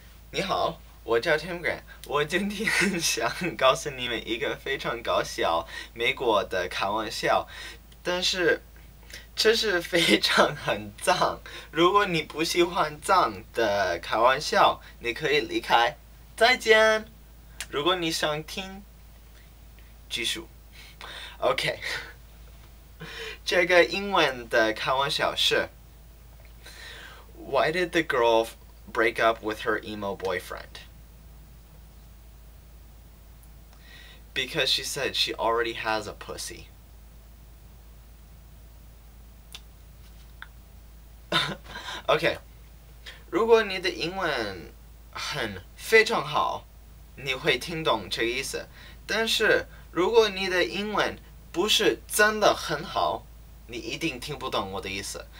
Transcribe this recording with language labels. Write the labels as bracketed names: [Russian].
[Chinese] 你好，我叫 Tim Grant，我今天想告诉你们一个非常搞笑美国的开玩笑，但是这是非常很脏，如果你不喜欢脏的开玩笑，你可以离开，再见。如果你想听，继续。 [English] OK， [Chinese] 这个英文的开玩笑是： [English] Why did the girl break up with her emo boyfriend? Because she said she already has a pussy. [Chinese] OK，如果你的英文很非常好，你会听懂这个意思。但是如果你的英文不是真的很好，你一定听不懂我的意思。